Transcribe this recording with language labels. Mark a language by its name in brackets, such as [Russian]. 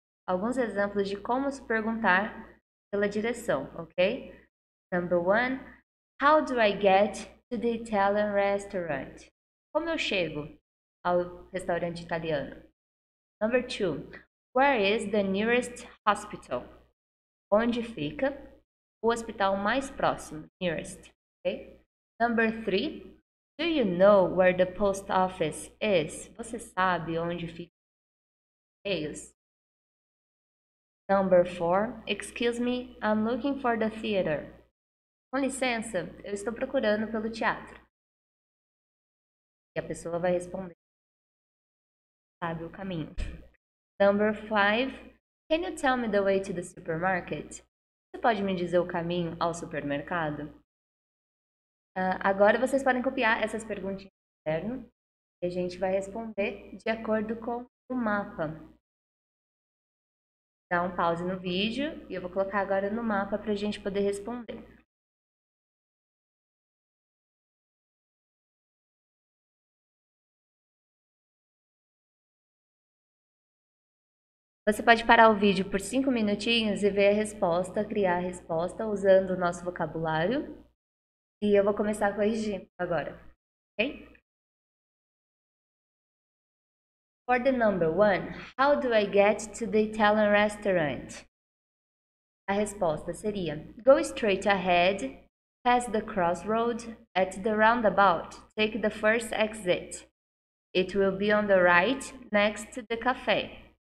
[Portuguese] Alguns exemplos de como se perguntar pela direção, ok? [English] Number one, how do I get to the Italian restaurant? [Portuguese] Como eu chego ao restaurante italiano? [English] Number two, where is the nearest hospital? [Portuguese] Onde fica o hospital mais próximo, nearest, okay? [English] Number three, do you know where the post office is? [Portuguese] Você sabe onde fica os correios? [English] Number four, excuse me, I'm looking for the theater. [Portuguese] Com licença, eu estou procurando pelo teatro. E a pessoa vai responder. Sabe o caminho. [English] Number five, can you tell me the way to the supermarket? [Portuguese] Você pode me dizer o caminho ao supermercado? Agora vocês podem copiar essas perguntinhas no caderno e a gente vai responder de acordo com o mapa. Dá um pause no vídeo e eu vou colocar agora no mapa para a gente poder responder. Você pode parar o vídeo por 5 minutinhos e ver a resposta, criar a resposta usando o nosso vocabulário. E eu vou começar a corrigir agora, ok? [English] For the number one, how do I get to the Italian restaurant? [Portuguese] A resposta seria, [English] go straight ahead, pass the crossroad, at the roundabout, take the first exit. It will be on the right, next to the cafe.